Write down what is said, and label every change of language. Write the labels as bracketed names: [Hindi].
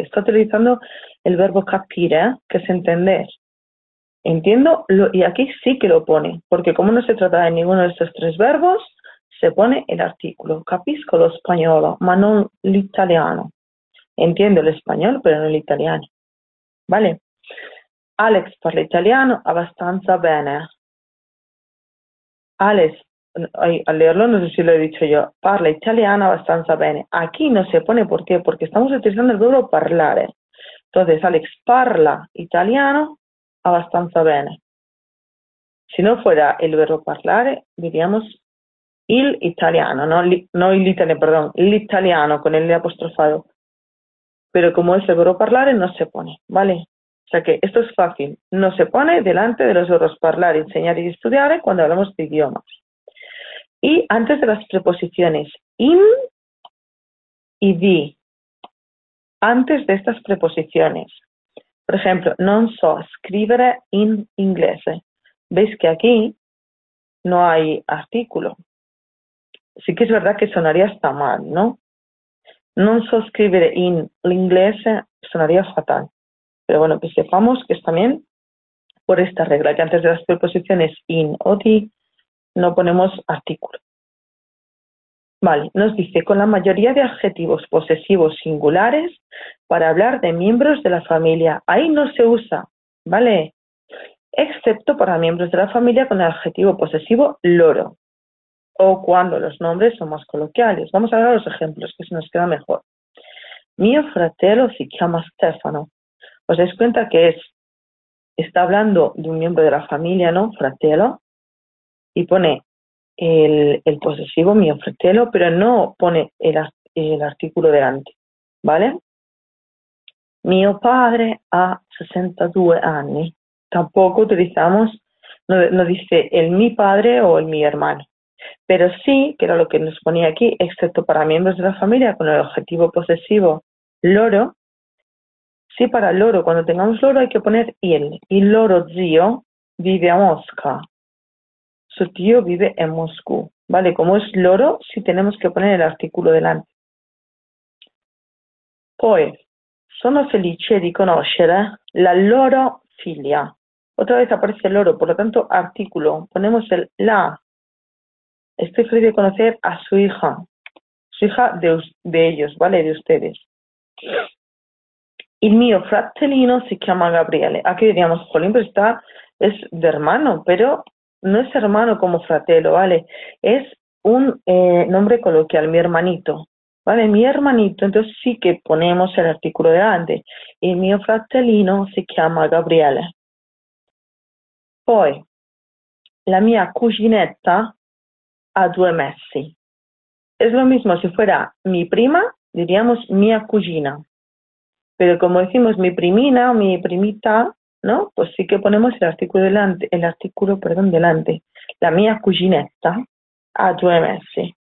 [Spanish] Está utilizando el verbo capire, que es entender. Entiendo, y aquí sí que lo pone, porque como no se trata de ninguno de estos tres verbos, se pone el artículo. [Italian] Capisco lo spagnolo, ma non l'italiano. [Spanish] Entiendo el español, pero no el italiano. [Italian] Vale, Alex parla italiano abbastanza bene. [Spanish] Alex, al leerlo no sé si lo he dicho yo, [Italian] parla italiano abbastanza bene. [Spanish] Aquí no se pone, ¿por qué? Porque estamos utilizando el verbo parlare. [Italian] Entonces, Alex parla italiano abbastanza bene. [Spanish] Si no fuera el verbo parlare, diríamos il italiano, l'italiano con el apostrofado. Pero como es el verbo parlare, no se pone, ¿vale? O sea que esto es fácil. No se pone delante de los verbos parlar, enseñar y estudiar cuando hablamos de idiomas. Y antes de las preposiciones in y di. Antes de estas preposiciones. [Italian] Por ejemplo, non so scrivere in inglese. [Spanish] ¿Veis que aquí no hay artículo? Sí que es verdad que sonaría hasta mal, ¿no? [Italian] Non so scrivere in l'inglese [Spanish] sonaría fatal. Pero bueno, pues sepamos que es también por esta regla, que antes de las preposiciones in o di no ponemos artículo. Vale, nos dice, con la mayoría de adjetivos posesivos singulares para hablar de miembros de la familia. Ahí no se usa, ¿vale? Excepto para miembros de la familia con el adjetivo posesivo loro. O cuando los nombres son más coloquiales. Vamos a ver los ejemplos, que se nos queda mejor. [Italian] Mio fratello si chiama Stefano. [Spanish] ¿Os dais cuenta que está hablando de un miembro de la familia, ¿no? Fratello. Y pone el posesivo, [Italian] mio fratello, [Spanish] pero no pone el artículo delante. ¿Vale? [Italian] Mio padre ha 62 [Spanish] años. Tampoco utilizamos, no dice el mi padre o el mi hermano. Pero sí, que era lo que nos ponía aquí, excepto para miembros de la familia con el objetivo posesivo loro. Sí, para loro, cuando tengamos loro hay que poner il. Y [Italian] loro zio vive a Mosca. [Spanish] Su tío vive en Moscú. Vale, como es loro, sí tenemos que poner el artículo delante. [Italian] Poi, sono felice di conoscere la loro figlia. [Spanish] Otra vez aparece el loro, por lo tanto, artículo. Ponemos el la. Estoy feliz de conocer a su hija de ellos, ¿vale? De ustedes. [Italian] Il mio fratellino si chiama Gabriele. [Spanish] Aquí diríamos, jolín, pero está, es de hermano, pero no es hermano como fratello, ¿vale? Es un nombre coloquial, mi hermanito, ¿vale? Mi hermanito, entonces sí que ponemos el artículo delante. [Italian] Il mio fratellino si chiama Gabriele. Poi, la mia cuginetta a due mesi. [Spanish] Es lo mismo, si fuera mi prima, diríamos [Italian] mia cugina. [Spanish] Pero como decimos mi primina o mi primita, ¿no? Pues sí que ponemos el artículo delante. [Italian] La mia cuginetta a due mesi.